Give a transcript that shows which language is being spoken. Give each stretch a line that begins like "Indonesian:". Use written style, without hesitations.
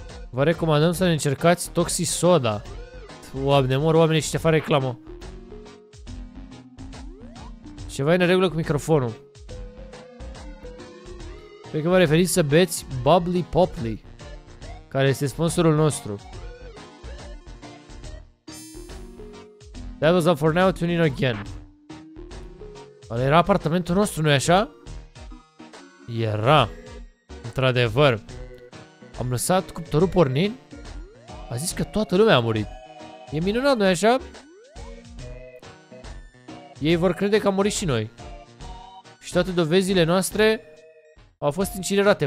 Romanian: Vă recomandăm să ne încercați Toxisoda. Oameni, mor oamenii și te fac reclamă. Ceva e în regulă cu microfonul. Cred că vă referiți să beți Bubbly Poply, care este sponsorul nostru.
English: That was all for now, tune in again.
Romanian: Dar era apartamentul nostru, nu-i așa? Era. Într-adevăr. Am lăsat cuptorul pornind. A zis că toată lumea a murit. E minunat, nu-i așa? Ei vor crede că am murit și noi. Și toate dovezile noastre au fost incinerate.